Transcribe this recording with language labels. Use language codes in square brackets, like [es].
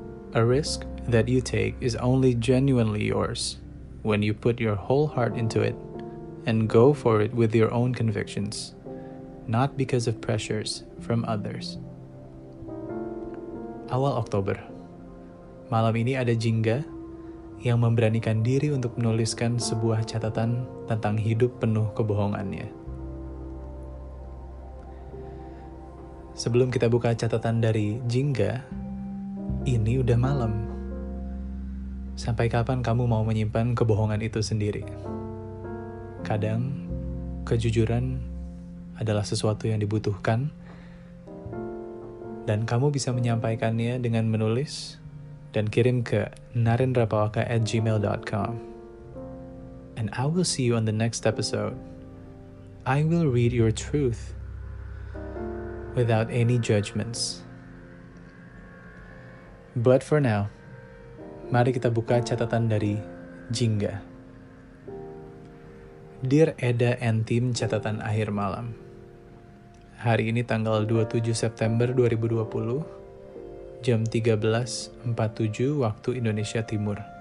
[en] A risk that you take is only genuinely yours when you put your whole heart into it and go for it with your own convictions, not because of pressures from others. [id] Awal Oktober. Malam ini ada Jingga yang memberanikan diri untuk menuliskan sebuah catatan tentang hidup penuh kebohongannya. Sebelum kita buka catatan dari Jingga, ini udah malam. Sampai kapan kamu mau menyimpan kebohongan itu sendiri? Kadang, kejujuran adalah sesuatu yang dibutuhkan, dan kamu bisa menyampaikannya dengan menulis dan kirim ke narendrapawaka@gmail.com. [en] And I will see you on the next episode. I will read your truth without any judgments. But for now, [id] mari kita buka catatan dari Jingga. Dear Eda and Team Catatan Akhir Malam, hari ini tanggal 27 September 2020, jam 13.47 waktu Indonesia Timur.